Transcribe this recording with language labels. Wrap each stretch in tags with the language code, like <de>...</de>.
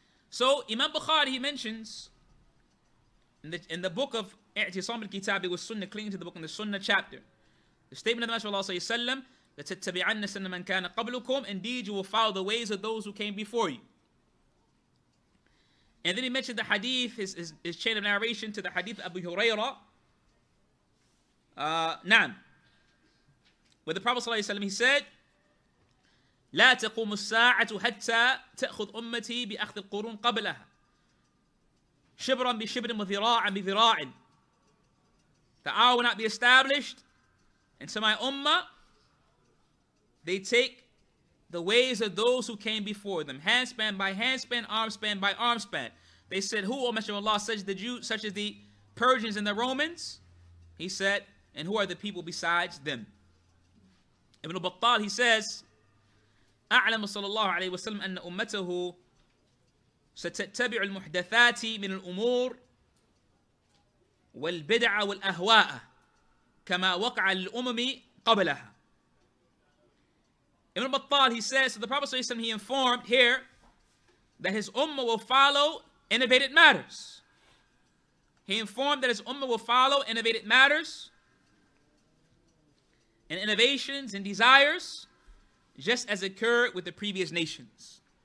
<en>So Imam Bukhari, he mentions in the book of I'tisam al-Kitab was Sunnah, clinging to the book in the Sunnah chapter, the statement of the Messenger of Allah sallam,</en> <ar>لَتَتَّبِعَنَّ سَنَّ مَنْ كَانَ قَبْلُكُمْ.</ar> <en>Indeed, you will follow the ways of those who came before you. And then he mentioned the hadith, his chain of narration to the hadith of Abu Hurairah.</en> <ar>Na'am.</ar> <en>With the Prophet Sallallahu Alaihi Wasallam, he said,</en> <ar>لَا تَقُومُ السَّاعَةُ حَتَّى تَأْخُذْ أُمَّتِي بِأَخْذِ الْقُرُونَ قَبْلَهَا شِبْرًا بِشِبْرٍ وَذِرَاعًا بِذِرَاعٍ.</ar> <en>The hour will not be established until my ummah, they take the ways of those who came before them, handspan by handspan, armspan by armspan. They said, who, O Messenger of Allah, such as the Jews, such as the Persians and the Romans? He said, and who are the people besides them?</en> <ar>Ibn al-Battal,</ar> <en>he says,</en> <ar>أَعْلَمُ صَلَى اللَّهُ عَلَيْهِ وَسَلَّمُ أَنَّ أُمَّتَهُ سَتَتَّبِعُ الْمُحْدَثَاتِ مِنَ الْأُمُورِ وَالْبِدْعَ وَالْأَهْوَاءَ كَمَا وَقْعَ الْأُمَمِ قَبْلَهَا.</ar> <en>Ibn al-Battal, he says, so the Prophet ﷺ, he informed here that his ummah will follow innovated matters. He informed that his ummah will follow innovated matters and innovations and desires just as occurred with the previous nations.</en>